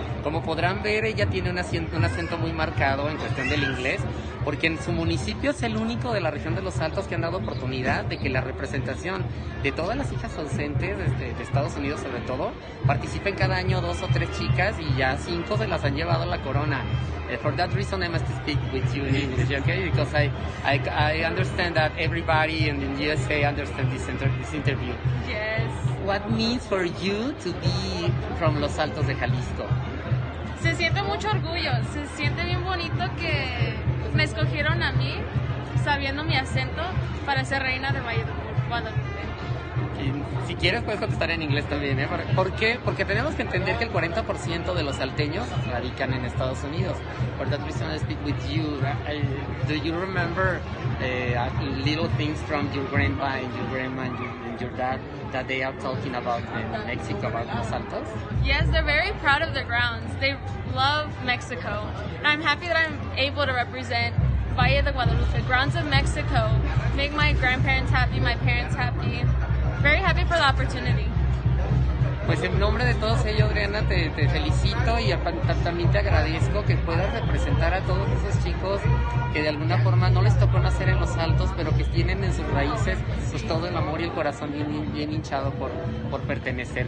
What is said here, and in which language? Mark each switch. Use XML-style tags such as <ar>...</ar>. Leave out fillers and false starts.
<es>Como podrán ver, ella tiene un acento muy marcado en cuestión del inglés, porque en su municipio es el único de la región de Los Altos que han dado oportunidad de que la representación de todas las hijas ausentes de Estados Unidos, sobre todo, participen cada año dos o tres chicas y ya cinco se las han llevado la corona.</es> <en>For that reason, I must speak with you in English, okay? Because I understand that everybody in the USA understand this interview. Yes. What means for you to be from Los Altos de Jalisco?</en> <es>Se siente mucho orgullo. Se siente bien bonito que me escogieron a mí, sabiendo mi acento, para ser reina de Guadalupe. Si quieres, puedes contestar en inglés también, ¿eh? ¿Por qué? Porque tenemos que entender que el 40% de los salteños radican en Estados Unidos.</es> <en>For that reason, I speak with you. Do you remember little things from your grandpa and your grandma and your dad that they are talking about in Mexico, about Los Altos? Yes, they're very proud of their grounds. They love Mexico. I'm happy that I'm able to represent Valle de Guadalupe, grounds of Mexico, make my grandparents happy, my parents happy. Very happy for the opportunity.</en> <es>Pues en nombre de todos ellos, Adriana, te felicito y también te agradezco que puedas representar a todos esos chicos que de alguna forma no les tocó nacer en Los Altos, pero que tienen en sus raíces pues todo el amor y el corazón bien hinchado por pertenecer.</es>